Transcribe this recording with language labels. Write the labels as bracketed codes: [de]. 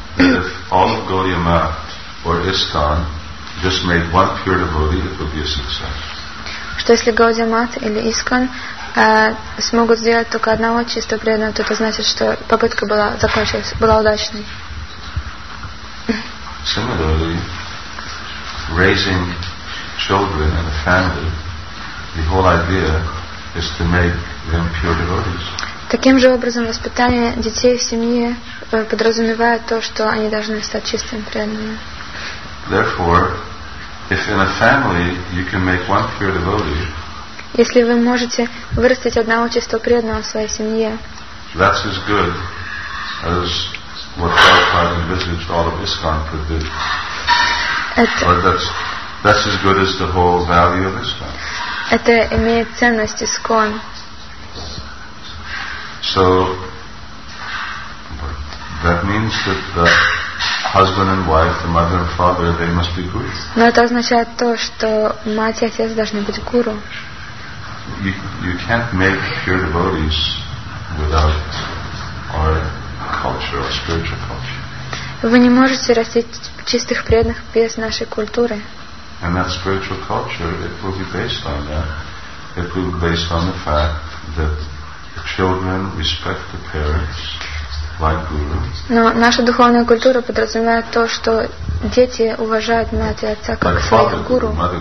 [en] If all of Gaudiya Math or ISKCON just made one pure devotee, it would be a success. [ru] Что если Gaudiya Math или ISKCON смогут сделать только одного чисто преданного, то это значит, что попытка была закончилась, была удачной. [en] Similarly, raising children and a family, the whole idea is to make them pure devotees. [ru] Таким же образом, воспитание детей в семье подразумевает то, что они должны стать чистыми преданными. [en] Therefore, if in a family you can make one pure devotee, [ru] если вы можете вырастить одного чисто преданного в своей семье, [en] that's as good as what Prabhupada envisaged all of ISKCON could do. That's as good as the whole value of ISKCON. [ru] Это имеет ценность ISKCON. [en] So that means that the husband and wife, the mother and father, they must be gurus. [ru] Но это означает то, что мать и отец должны быть гуру. [en] You can't make pure devotees without our culture, our spiritual culture. [ru] Вы не можете растить чистых преданных без нашей культуры. [en] And that spiritual culture, it will be based on that. It will be based on the fact that the children respect the parents. [ru] Но наша духовная культура подразумевает то, что дети уважают мать и отца как своих гуру.